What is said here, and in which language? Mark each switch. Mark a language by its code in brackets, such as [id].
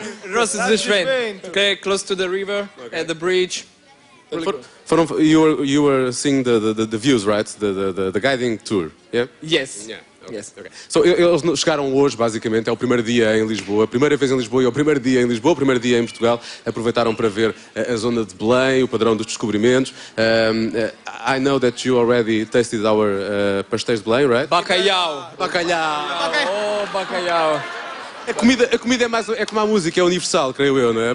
[en] Rosa dos Ventos. Okay, close to the river, okay. At the bridge. You were seeing the views, right? The guiding tour, yeah? Yes. Yeah. Yes. Okay. So, [pt] eles chegaram hoje, basicamente, é o primeiro dia em Lisboa, a primeira vez em Lisboa e é o primeiro dia em Lisboa, o primeiro dia em Portugal. Aproveitaram para ver a zona de Belém, o padrão dos descobrimentos. [en] I know that you already tasted our pastéis de Belém, right? [pt] Bacalhau. Oh, bacalhau. A comida é mais, é como a música, é universal, creio eu, não é?